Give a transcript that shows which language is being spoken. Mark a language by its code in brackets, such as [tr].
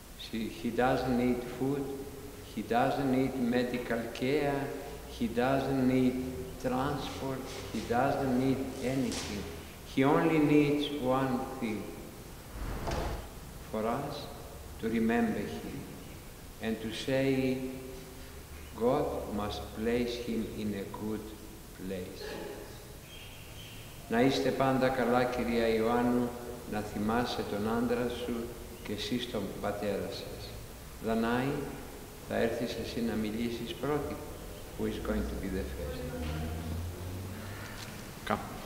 [en] He doesn't need food, he doesn't need medical care, he doesn't need transport, he doesn't need anything. He only needs one thing, for us to remember him and to say God must place him in a good place. [el] Να είστε πάντα καλά, κυρία Ιωάννου, να θυμάσαι τον άντρα σου και εσύ τον πατέρα σας. Δανάη, θα έρθεις εσύ να μιλήσεις πρώτη. [en] Who is going to be the first? Come.